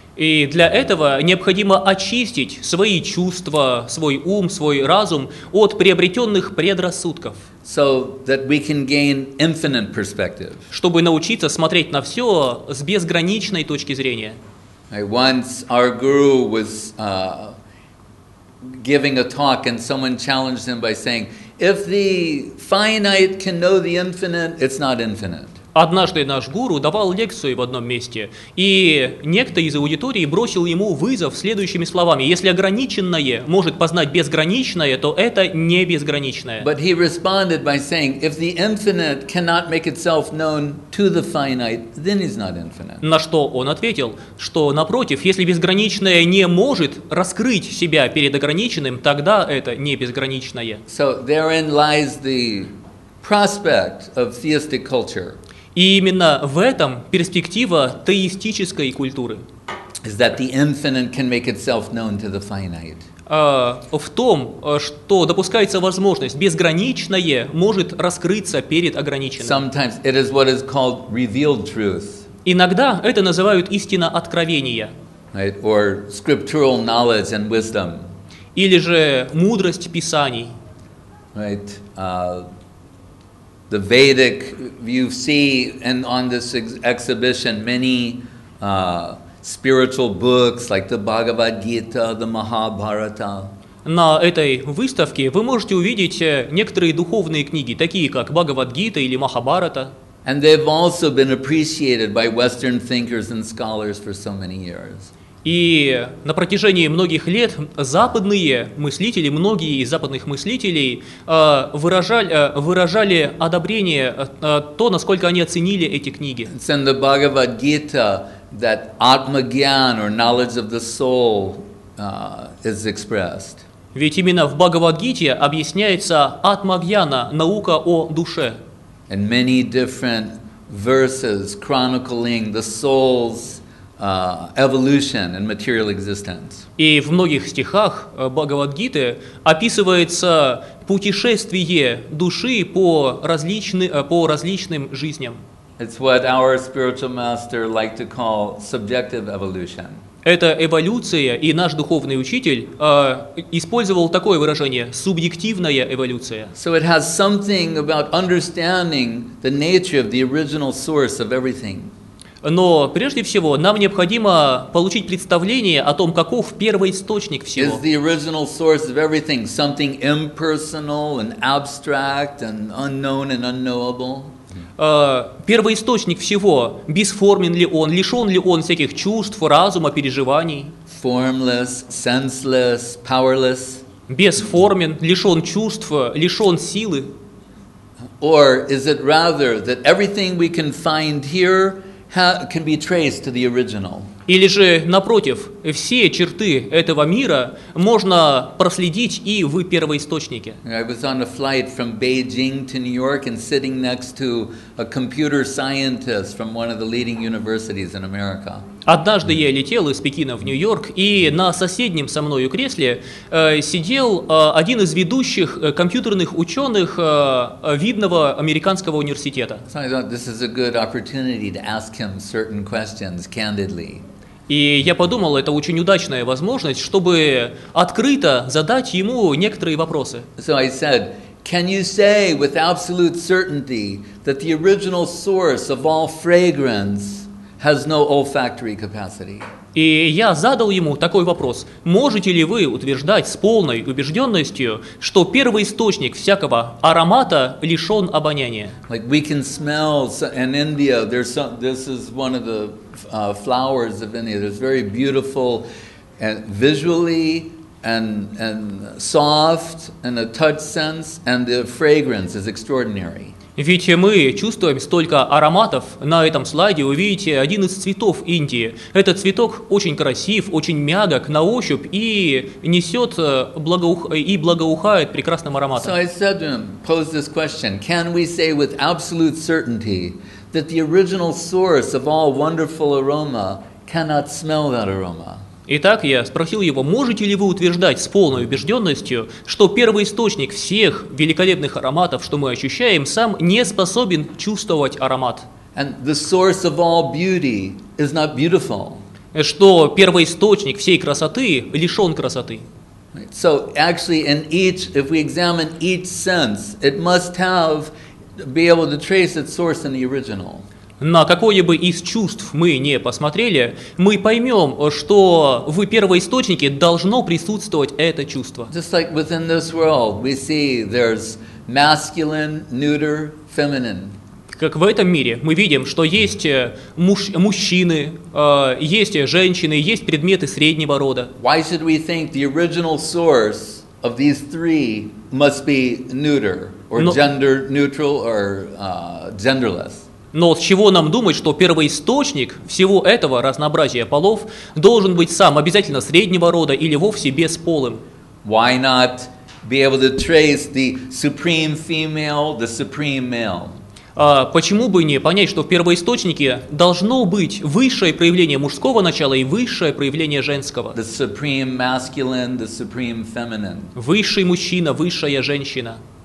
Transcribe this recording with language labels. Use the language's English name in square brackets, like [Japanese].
[Russian] И для этого необходимо очистить свои чувства, свой ум, свой разум от приобретенных предрассудков. [English] So that we can gain infinite perspective. [Russian] Чтобы научиться смотреть на все с безграничной точки зрения. [English] Once our guru was giving a talk and someone challenged him by saying, if the finite can know the infinite, it's not infinite. [Russian] Однажды наш гуру давал лекцию в одном месте, и некто из аудитории бросил ему вызов следующими словами: если ограниченное может познать безграничное, то это не безграничное. [English] But he responded by saying, if the infinite cannot make itself known to the finite, then it's not infinite. [Russian] На что он ответил, что напротив, если безграничное не может раскрыть себя перед ограниченным, тогда это не безграничное. [English] So therein lies the prospect of theistic culture. [Russian] И именно в этом перспектива теистической культуры. [English] Is that the infinite can make itself known to the finite. [Russian] В том, что допускается возможность, безграничное может раскрыться перед ограниченным. [English] Sometimes it is what is called revealed truth. [Russian] Иногда это называют истина откровения. [English] Right? Or scriptural knowledge and wisdom. [Russian] Или же мудрость писаний. [English] Right? The Vedic, you see, and on this exhibition, many spiritual books like the Bhagavad Gita, the Mahabharata. [Russian] На этой выставке вы можете увидеть некоторые духовные книги, такие как Бхагавад Гита или Махабхарата. [English] And they've also been appreciated by Western thinkers and scholars for so many years. [Russian] И на протяжении многих лет западные мыслители, многие из западных мыслителей выражали одобрение то, насколько они оценили эти книги. [English] It's in the Bhagavad Gita that Atmagyan or knowledge of the soul is expressed. [Russian] Ведь именно в Бхагавад-гите объясняется Атмагьяна, наука о душе. [English] And many different verses chronicling the soul's evolution and material existence. [Russian] И в многих стихах Бхагавад-гиты описывается путешествие души по различным жизням. [English] It's what our spiritual master liked to call subjective evolution. [Russian] Это эволюция, и наш духовный учитель использовал такое выражение – субъективная эволюция. [English] So it has something about understanding the nature of the original source of everything. [Russian] Но прежде всего нам необходимо получить представление о том, каков первоисточник всего. [English] Is the original source of everything something impersonal and abstract and unknown and unknowable? [Russian] Первоисточник всего, бесформен ли он, лишен ли он всяких чувств, разума, переживаний? [English] Formless, senseless, powerless. [Russian] Бесформен, лишен чувств, лишен силы. [English] Or is it rather that everything we can find here can be traced to the original? [Russian] Или же, напротив, все черты этого мира можно проследить и в первоисточнике. [English] I was on a flight from Beijing to New York and sitting next to a computer scientist from one of the leading universities in America. [Russian] Однажды я летел из Пекина в Нью-Йорк, и на соседнем со мною кресле сидел один из ведущих компьютерных ученых видного американского университета. [English] So I thought this is a good opportunity to ask him certain questions candidly. [Russian] И я подумал, это очень удачная возможность, чтобы открыто задать ему некоторые вопросы. [English] So I said, can you say with absolute certainty that the original source of all fragrance has no olfactory capacity. [Russian] И я задал ему такой вопрос: можете ли вы утверждать с полной убежденностью, что первый источник всякого аромата лишен обоняния? [English] Like we can smell in India, there's some, this is one of the flowers of India. It's very beautiful and visually and soft in a touch sense, and the fragrance is extraordinary. [Russian] Ведь мы чувствуем столько ароматов. На этом слайде вы видите один из цветов Индии. Этот цветок очень красив, очень мягок на ощупь и несет благоухает прекрасным ароматом. [English] So I said to him, pose this question: can we say with absolute certainty that the original source of all wonderful aroma cannot smell that aroma? [Russian] Итак, я спросил его: можете ли вы утверждать с полной убежденностью, что первоисточник всех великолепных ароматов, что мы ощущаем, сам не способен чувствовать аромат? [English] And the source of all beauty is not beautiful. [Russian] Что первоисточник всей красоты лишен красоты? [English] So actually, in each, if we examine each sense, it must have be able to trace its source in the original. [Russian] На какое бы из чувств мы не посмотрели, мы поймем, что в первоисточнике должно присутствовать это чувство. [English] Just like within this world, we see there's masculine, neuter, feminine. [Russian] Как в этом мире мы видим, что есть мужчины, есть женщины, есть предметы среднего рода. [English] Why should we think the original source of these three must be neuter, or gender neutral, or genderless? [Russian] Но с чего нам думать, что первоисточник всего этого разнообразия полов должен быть сам обязательно среднего рода или вовсе бесполым? [English] Why not be able to trace the supreme female, the supreme male? [Russian] Почему бы не понять, что в первоисточнике должно быть высшее проявление мужского начала и высшее проявление женского? [English] The supreme masculine, the supreme feminine. [Russian] Высший мужчина, высшая женщина.